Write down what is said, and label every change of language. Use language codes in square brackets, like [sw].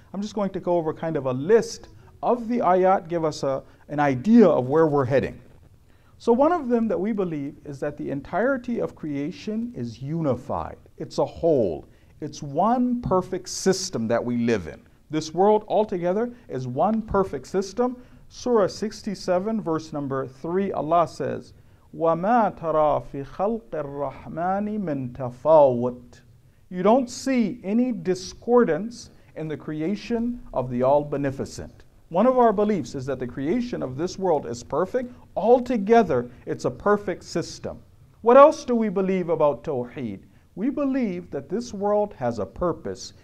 [en] I'm just going to go over kind of a list of the ayat, give us an idea of where we're heading. So one of them that we believe is that the entirety of creation is unified. It's a whole. It's one perfect system that we live in. This world altogether is one perfect system. Surah 67, verse number 3, Allah says, [ar] وَمَا تَرَى فِي خَلْقِ الرَّحْمَنِ مِنْ تَفَاوُتٍ. [en] You don't see any discordance in the creation of the All-Beneficent. One of our beliefs is that the creation of this world is perfect. Altogether, it's a perfect system. What else do we believe about Tawheed? We believe that this world has a purpose.